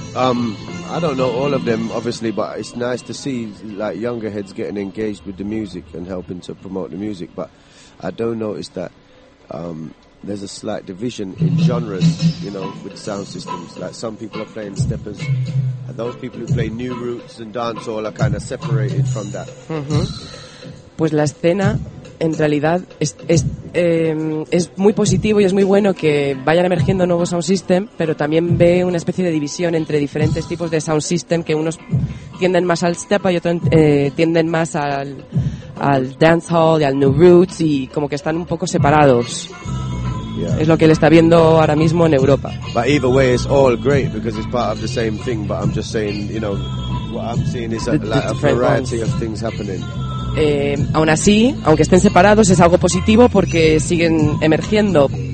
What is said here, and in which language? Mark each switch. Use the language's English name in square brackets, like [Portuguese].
[English] I don't know all of them, obviously, but it's nice to see like younger heads getting engaged with the music and helping to promote the music. But I don't notice that. There's a slight division in genres, you know, with sound systems. Like some people are playing steppers, and those people who play new roots and dancehall are kind of separated from that. [Spanish] Pues la escena, en realidad, es muy positivo y es muy bueno que vayan emergiendo nuevos sound system, pero también ve una especie de división entre diferentes tipos de sound system, que unos tienden más al steppa y otros tienden más al dancehall y al new roots, y como que están un poco separados. [English] Yeah. [Spanish] Es lo que él está viendo ahora mismo en Europa. [English] But either way, it's all great because it's part of the same thing. But I'm just saying, you know, what I'm seeing is a variety of things happening. [Spanish] Aún así, aunque estén separados, es algo positivo porque siguen emergiendo.